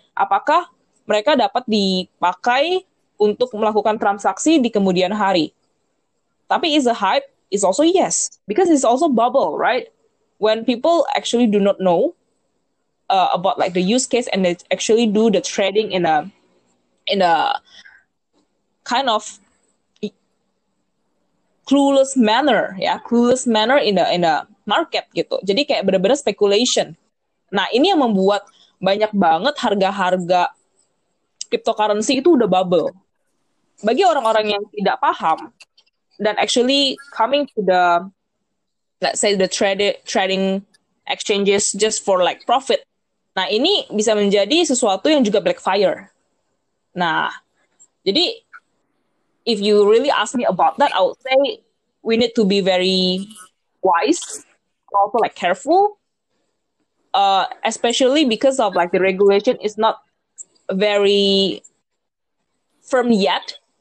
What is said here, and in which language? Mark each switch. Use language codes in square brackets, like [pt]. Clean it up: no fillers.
[id] Apakah mereka dapat dipakai untuk melakukan transaksi di kemudian hari? [en] Tapi is a hype? Is also yes. Because it's also bubble, right? When people actually do not know about like the use case and they actually do the trading in a kind of clueless manner, ya. Yeah? Clueless manner in a market gitu. [id] Jadi kayak benar-benar [en] speculation. [id] Nah, ini yang membuat banyak banget harga-harga cryptocurrency itu udah bubble. Bagi orang-orang yang tidak paham dan [en] actually coming to the, let's say the trading exchanges just for like profit. [id] Nah, ini bisa menjadi sesuatu yang juga backfire. Nah, jadi [en] if you really ask me about that, I would say we need to be very wise. Also like careful, especially because of like the regulation is not very firm yet.